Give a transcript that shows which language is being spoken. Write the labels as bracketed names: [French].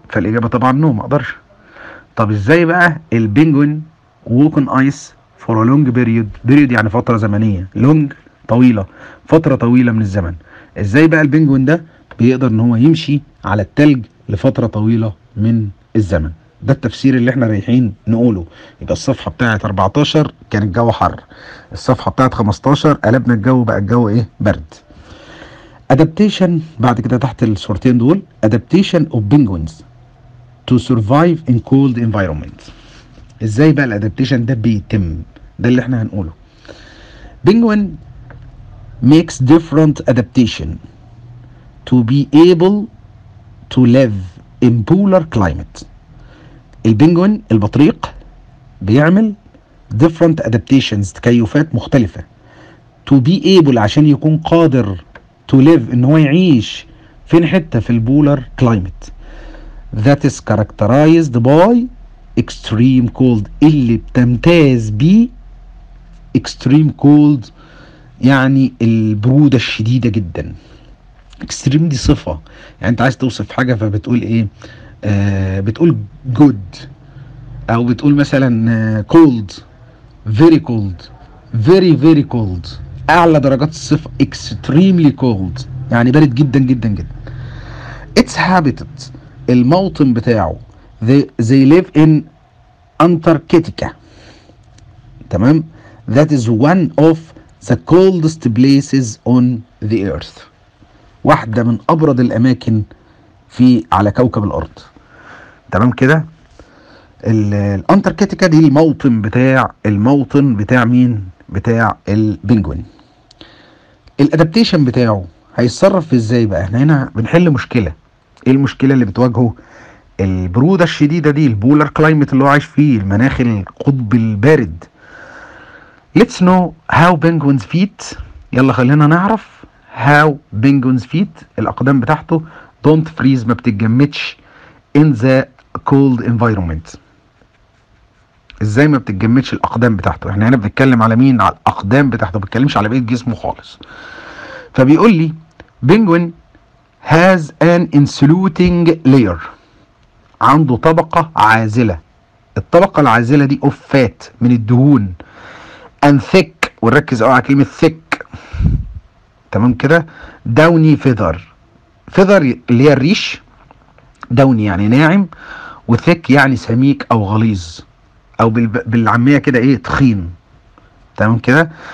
[Arabic] فالاجابه طبعا نو، ما اقدرش. طب ازاي بقى [English] البنجوين walk on ice for a long period, [Arabic] يعني فتره زمنيه، لونج طويله، فتره طويله من الزمن، ازاي بقى البنجوين ده بيقدر ان هو يمشي على التلج لفترة طويلة من الزمن؟ ده التفسير اللي احنا رايحين نقوله. يبقى الصفحة بتاعت 14 كان الجو حر، الصفحة بتاعت 15 قلبنا الجو بقى الجو ايه؟ برد. [English] Adaptation [Arabic] بعد كده تحت الصورتين دول، [English] Adaptation of penguins to survive in cold environments. [Arabic] ازاي بقى الادابتيشن ده بيتم؟ ده اللي احنا هنقوله. [English] Penguin makes different adaptation to be able to live in polar climate. [Arabic] البنجوين البطريق بيعمل [English] different adaptations، [Arabic] تكيفات مختلفة، [English] to be able [Arabic] عشان يكون قادر [English] to live، [Arabic] ان هو يعيش في حتة في البولر كلايمت [English] that is characterized by extreme cold، [Arabic] اللي بتمتاز بي extreme cold يعني البرودة الشديدة جدا. extreme دي صفة، يعني انت عايز توصف حاجة فبتقول ايه؟ بتقول good، او بتقول مثلا cold، very cold، [English] very very cold، [Arabic] اعلى درجات الصفة [English] extremely cold [Arabic] يعني بارد جدا جدا جدا. [English] its habitat [Arabic] الموطن بتاعه [English] they live in Antarctica، تمام، that is one of the coldest places on the earth، [Arabic] واحدة من ابرد الاماكن في على كوكب الارض، [English] تمام كده. [Arabic] الانتركتيكا دي الموطن بتاع، الموطن بتاع مين؟ بتاع البنجوين. الادابتيشن بتاعه هيتصرف ازاي بقى؟ احنا هنا بنحل مشكله. ايه المشكله اللي بتواجهه؟ البروده الشديده دي، البولر كلايمت اللي هو عايش فيه، المناخ القطب البارد. [English] Let's know how penguins feet. [Arabic] يلا خلينا نعرف [English] how penguins feet، [Arabic] الاقدام بتاعته [English] don't freeze، [Arabic] ما بتتجمدش [English] in the cold environment. [Arabic] ازاي ما بتتجمدش الاقدام بتاعته؟ احنا هنا بنتكلم على مين؟ على الاقدام بتاعته، ما بتكلمش على بقيه جسمه خالص. فبيقول لي [English] penguin has an insulating layer، [Arabic] عنده طبقه عازله، الطبقه العازله دي [English] of fat، [Arabic] من الدهون، and thick، ونركز على كلمه thick، تمام كده، [English] downy feather، [Arabic] feather اللي هي الريش، downy يعني ناعم، وثيك يعني سميك او غليظ، او بالعاميه كده ايه؟ تخين، تمام كده.